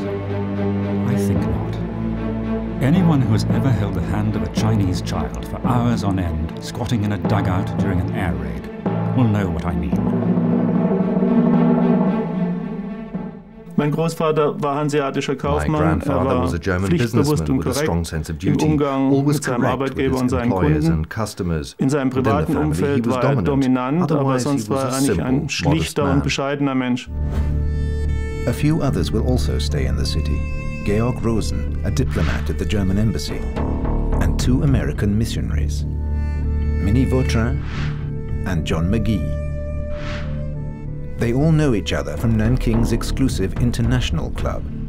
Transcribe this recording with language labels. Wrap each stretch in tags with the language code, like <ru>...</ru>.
<en>I think not. Anyone who has ever held the hand of a Chinese child for hours on end, squatting in a dugout during an air raid, will know what I mean.</en> <de>Mein Großvater war hanseatischer Kaufmann.</de> <en>My grandfather was a German businessman with a strong sense of duty, always correct with his employers and customers.</en> <de>In seinem privaten Umfeld war er dominant, aber sonst war er eigentlich ein schlichter und bescheidener Mensch.</de> <en>A few others will also stay in the city. Georg Rosen, a diplomat at the German embassy, and two American missionaries, Minnie Vautrin and John McGee. They all know each other from Nanking's exclusive international club.</en>